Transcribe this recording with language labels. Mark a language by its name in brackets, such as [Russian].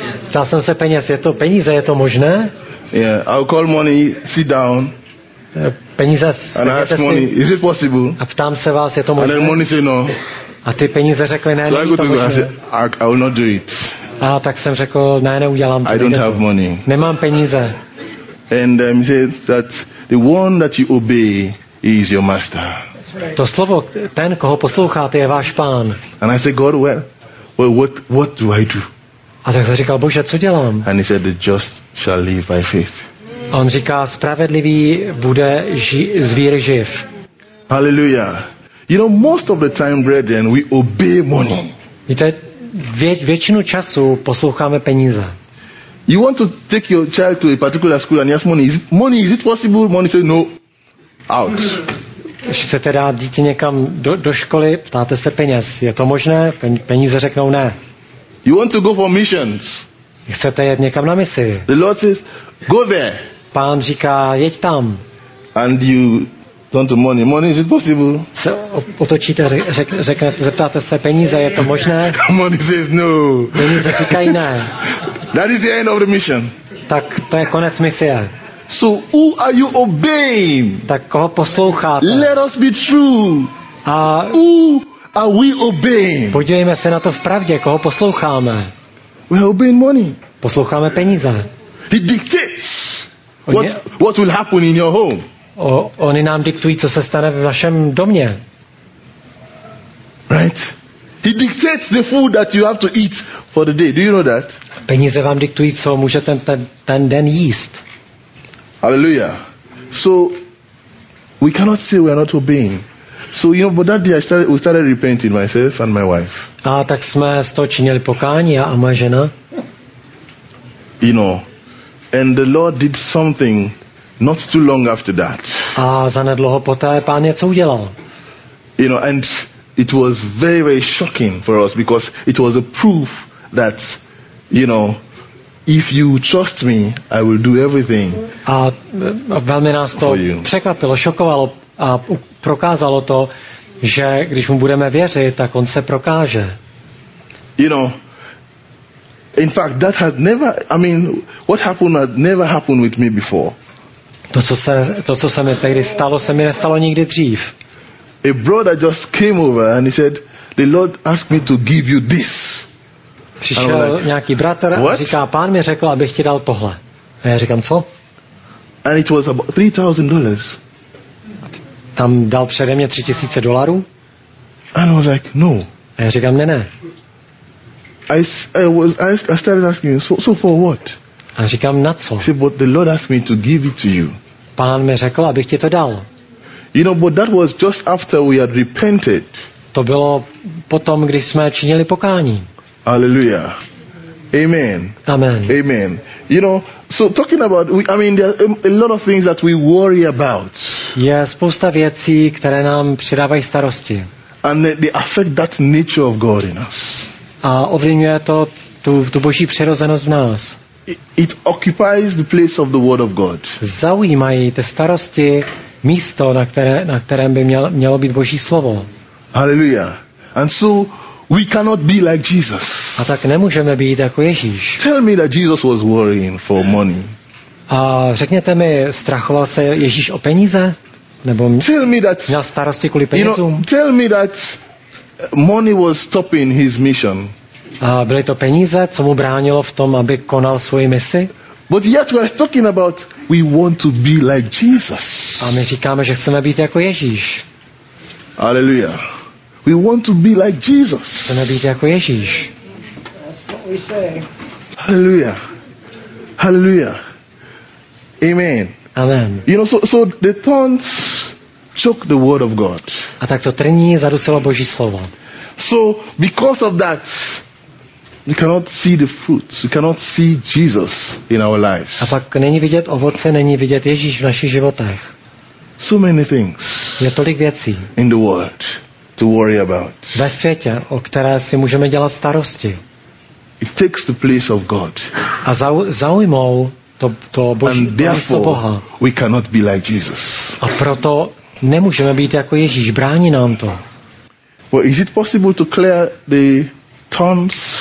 [Czech] Ptal jsem se peněz, je to peníze, je to možné? [English] Yeah, I'll call money, sit down. [Czech] Peníze, [English] and ask [Czech] si, [English] money, is it possible? [Czech] A ptám se vás, je to možné? [English] And then money say no. [Czech] A ty peníze řekly, ne, [English] so [Czech] není to možné. [English] I will not do it. [Czech] A tak jsem řekl, ne, neudělám to. [English] I don't have to. Money. [Czech] Nemám peníze. [English] And he says that the one that you obey is your master. [Czech] To slovo, ten, koho posloucháte, je váš pán. [English] And I said, God, well, what do I do? [Czech] A tak jsem říkal, Bože, co dělám? [English] And he said, the just shall live by faith. [Czech] A on říká, spravedlivý bude z víry živ. [English] Hallelujah. You know, most of the time, brethren, we obey money. [Czech] Víte, většinu času posloucháme peníze. [English] You want to take your child to a particular school and ask money, is it possible? Money says no. Out. [Czech] Chcete dát dítě někam do školy, ptáte se peněz. Je to možné? Peníze řeknou ne. [English] You want to go for missions. [Czech] Chcete jet někam na misi. [English] The Lord says, go there. [Czech] Pán říká, jeď tam. [English] And you turn to money. Money, is it possible? [Czech] Se otočíte, zeptáte se peníze, je to možné? [English] Money says no. [Czech] Peníze říkají ne. [English] That is the end of the mission. [Czech] Tak to je konec misie. [English] So who are you obeying? [Czech] Tak koho posloucháte? [English] Let us be true. [Czech] A [English] who are we obeying? [Czech] Podívejme se na to v pravdě, koho posloucháme. [English] We are obeying money. [Czech] Posloucháme peníze. [English] He dictates what will happen in your home. [Czech] Oni nám diktují, co se stane v našem domě. [English] Right? He dictates the food that you have to eat for the day. Do you know that? [Czech] Peníze vám diktují, co můžete ten den jíst. [English] Hallelujah. So we cannot say we are not obeying. So you know, but that day we started repenting, myself and my wife. [Czech] A tak jsme z toho činili pokání, já a moje žena. [English] You know, and the Lord did something not too long after that. [Czech] A zanedlouho poté Pán něco udělal. [English] You know, and it was very, very shocking for us because it was a proof that, you know, if you trust me, I will do everything. [Czech] A velmi nás to překvapilo, šokovalo a prokázalo to, že když mu budeme věřit, tak on se prokáže. [English] You know, in fact, that had never, I mean, what happened had never happened with me before. [Czech] To co se mi tehdy stalo, se mi nestalo nikdy dřív. [English] A brother just came over and he said, the Lord asked me to give you this. [Czech] Přišel like, nějaký bratr a říká, Pán mi řekl, abych ti dal tohle. A já říkám, co? [English] And it was about $3,000. [Czech] Tam dal přede mě $3,000? [English] And I was like, no. [Czech] A já říkám, ne. [English] I started asking him, so for what? [Czech] A říkám, na co? [English] He said, but the Lord asked me to give it to you. [Czech] Pán mi řekl, abych ti to dal. [English] You know, but that was just after we had repented. [Czech] To bylo potom, když jsme činili pokání. [English] Hallelujah. Amen. Amen. Amen. You know, so talking about, there are a lot of things that we worry about. [Czech] Je spousta věcí, které nám přidávají starosti. [English] And they affect that nature of God in us. [Czech] A ovlivňuje to tu Boží přirozenost v nás. [English] It occupies the place of the Word of God. [Czech] Zaujímají ty starosti místo, na kterém by mělo být Boží slovo. [English] Hallelujah. And so we cannot be like Jesus. [Czech] A tak nemůžeme být jako Ježíš. [English] Tell me that Jesus was worrying for money. [Czech] A řekněte mi, strachoval se Ježíš o peníze? Nebo [English] tell me that, [Czech] měl starosti kvůli penězům? [English] You know, tell me that money was stopping his mission. [Czech] A byly to peníze, co mu bránilo v tom, aby konal svoji misi? [English] But yet we are talking about we want to be like Jesus. [Czech] A my říkáme, že chceme být jako Ježíš. [English] Hallelujah. We want to be like Jesus. [Czech] Chceme být jako Ježíš. [English] That's what we say. Hallelujah. Hallelujah. Amen. Amen. You know, so the thorns choke the word of God. [Czech] A tak to trní zadusilo Boží slovo. [English] So because of that, we cannot see the fruits. We cannot see Jesus in our lives. [Czech] A pak není vidět ovoce, není vidět Ježíš v našich životech. [English] So many things. [Czech] Je tolik věcí. [English] In the world to worry about. [Czech] Ve světě, o které si můžeme dělat starosti. [English] It takes the place of God. [Czech] A zaujmou to Boží místo Boha. [English] And therefore we cannot be like Jesus. [Czech] A proto nemůžeme být jako Ježíš, brání nám to. [English] Well, is it possible to clear the thorns?